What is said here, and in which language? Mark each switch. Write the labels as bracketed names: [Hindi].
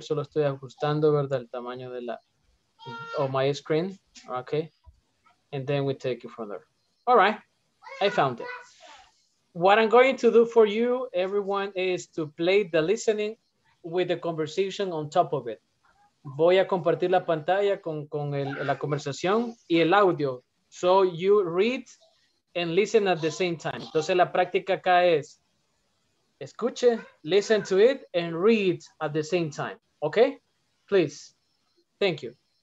[Spanish] Solo estoy ajustando, ¿verdad? El tamaño de la, [English] of my screen. Okay. And then we take it from there. All right. I found it. What I'm going to do for you, everyone, is to play the listening with the conversation on top of it. [Spanish] Voy a compartir la pantalla con el, la conversación y el audio. [English] So you read and listen at the same time. [Spanish] Entonces la práctica acá es, escuche, [English] listen to it and read at the same time. Okay? Please. Thank you.